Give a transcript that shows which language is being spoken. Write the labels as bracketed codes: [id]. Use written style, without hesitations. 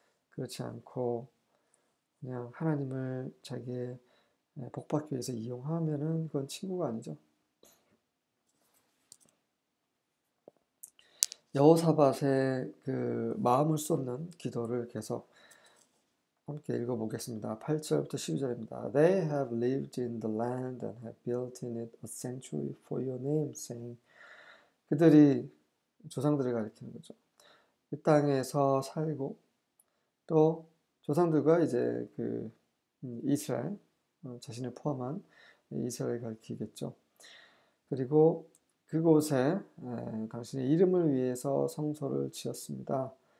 [ko] 그렇지 않고 그냥 하나님을 자기의 복받기 위해서 이용하면은 그건 친구가 아니죠. 여호사밧의 그 마음을 쏟는 기도를 계속 함께 읽어보겠습니다. 8절부터 12절입니다. [en] They have lived in the land and have built in it a sanctuary for your name, saying, [ko] 그들이 조상들을 가리키는 거죠. 이 땅에서 살고 또 조상들과 이제 그 이스라엘 자신을 포함한 이스라엘을 가리키겠죠. 그리고 그곳에 당신의 이름을 위해서 성소를 지었습니다.